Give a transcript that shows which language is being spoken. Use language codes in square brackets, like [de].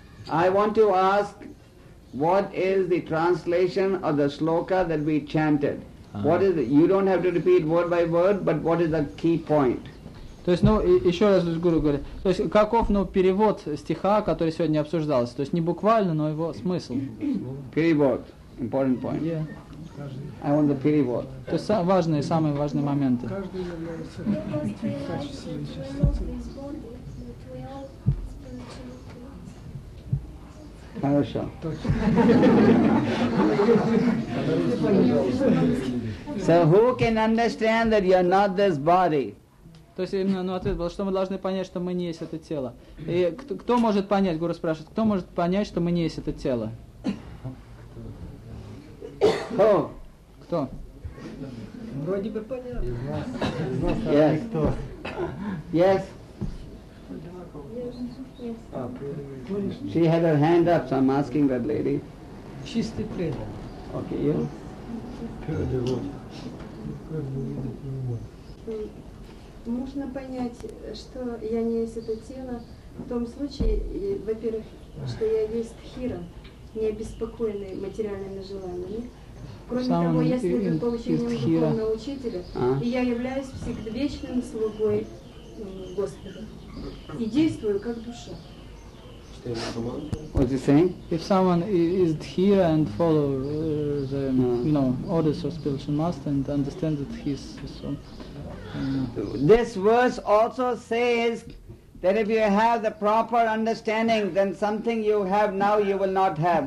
[en] I want to ask, what is the translation of the sloka that we chanted? What is it? You don't have to repeat word by word, but what is the key point? [ru] То есть, ну, еще раз гуру говорит, то есть, каков, ну, перевод стиха, который сегодня обсуждался? То есть, не буквально, но его смысл. Перевод. [en] Important point. Yeah. I want the [ru] перевод. То есть важные, самые важные моменты. Хорошо. [en] So who can understand that you're not this body? [ru] То есть именно, ну, ответ был, что мы должны понять, что мы не есть это тело. И кто может понять, гуру спрашивает, кто может понять, что мы не есть это тело? Кто? Кто? Вроде бы понятно. [en] Yes. [ru] Кто? [en] Yes. Yes. She had her hand up, so I'm asking that lady. [ru] Чистый предан. [en] Okay, you? [ru] Можно понять, что я не есть это тело, в том случае, во-первых, что я есть тхира, не обеспокоенный материальными желаниями. Кроме Самый того, я следую получению духовного учителя, и я являюсь всегда вечным слугой Господа. И действую как душа. [en] What's he saying? If someone is here and follow the you know, orders of spiritual master and understands that he's so. This verse also says that if you have the proper understanding, then something you have now you will not have.